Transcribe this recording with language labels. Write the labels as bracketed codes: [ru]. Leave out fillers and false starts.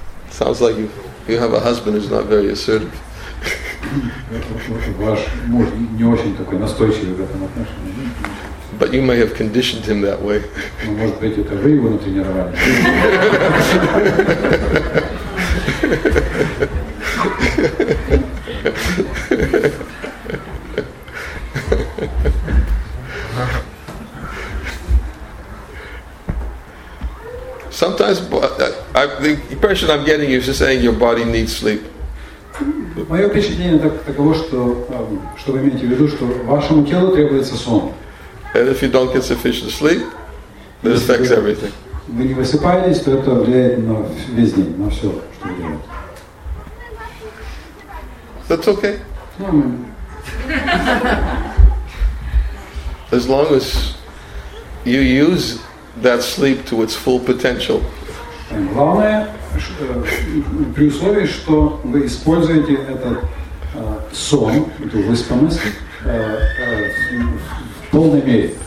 [en] Sounds like you have a husband who's not very assertive. [ru] Ваш муж не очень такой настойчивый в этом отношении. [en] But you may have conditioned him that way. [ru] Может быть, это вы его натренировали. [en] Sometimes, the impression I'm getting is just saying your body needs sleep. [ru] Моё впечатление таково, что чтобы иметь в виду, что вашему телу требуется сон. [en] And if you don't get sufficient sleep, that affects everything. [ru] Вы не высыпаетесь, то это влияет на весь день, на всё, что вы делаете. [en] That's okay. As long as you use that sleep to its full potential. [ru] Главное, при условии, что вы используете этот сон, эту выспанность, в полной мере.